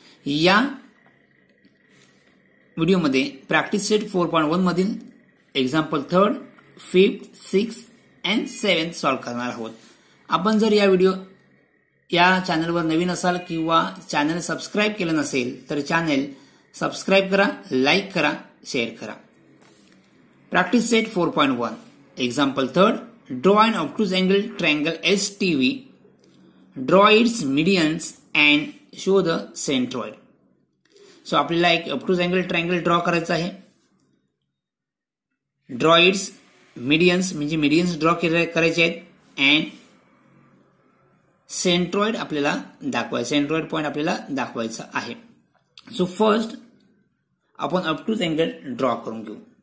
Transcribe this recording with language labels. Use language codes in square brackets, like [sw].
[mr] या व्हिडिओमध्ये practice set 4.1 मधील example 3rd, 5th, 6th and 7th solve करणार आहोत। आपण जर या व्हिडिओ या चॅनलवर नवीन असाल किंवा चॅनल सबस्क्राईब केलं नसेल तर चॅनल सबस्क्राईब करा, लाईक करा, शेअर करा। Practice set 4.1 example 3rd, [en] Draw an obtuse angle triangle S T V, draw its medians and show the centroid. [mr] So आपल्याला एक ऑब्टूज एंगल ट्रायंगल ड्रॉ करायचं आहे। ड्रॉ इट्स मीडियन्स म्हणजे मीडियन्स ड्रॉ करायचे आहेत अँड सेंट्रॉइड आपल्याला दाखवायचं, सेंट्रॉइड पॉईंट आपल्याला दाखवायचा आहे। सो फर्स्ट आपण ऑब्टूज एंगल ड्रॉ करून घेऊ।